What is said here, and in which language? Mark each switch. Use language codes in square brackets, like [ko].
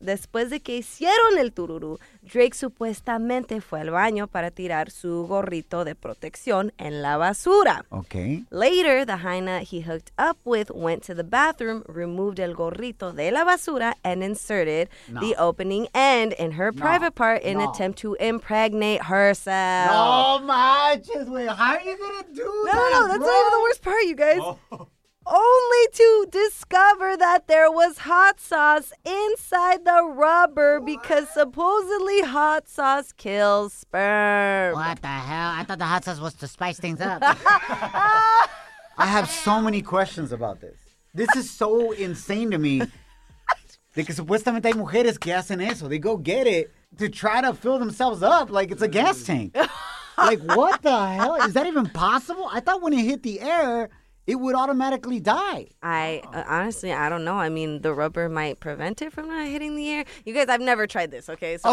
[es] Después de que hicieron el tururu, Drake supuestamente fue al baño para tirar su gorrito de protección en la basura. [en] Okay. Later, the jaina he hooked up with went to the bathroom, removed [es] el gorrito de la basura, [en] and inserted the opening end in her private part in attempt to impregnate herself. [es] No, manches, [en] wait, how are you going to do that? No, no, that's not even the worst part, you guys. Only to discover that there was hot sauce inside the rubber because supposedly hot sauce kills sperm. What the hell? I thought the hot sauce was to spice things up. I have so many questions about this. This is so insane to me. [es] De que supuestamente hay mujeres que hacen eso. [en] They go get it to try to fill themselves up like it's a gas tank. Like, what the hell? Is that even possible? I thought when it hit the air, it would automatically die. Honestly, I don't know. I mean, the rubber might prevent it from not hitting the air. You guys, I've never tried this, okay? So